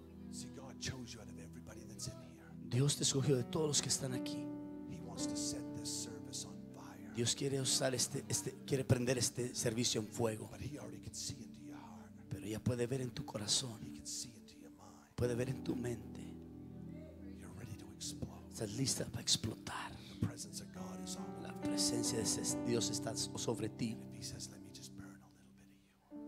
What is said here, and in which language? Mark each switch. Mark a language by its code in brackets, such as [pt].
[en] See, God chose you out of everybody that's in here. [es] Dios te escogió de todos los que están aquí. [en] He wants to set this service on fire. [es] Dios quiere usar quiere prender este servicio en fuego. [en] But he already can see into your heart. [es] Pero ya puede ver en tu corazón. [en] He can see into your mind. [es] Puede ver en tu mente. [en] You're ready to explode. [es] Estás lista para explotar. [en] Presence of God is on. [es] La presencia de Dios está sobre ti. [en] And he says, let me just burn a little bit of you.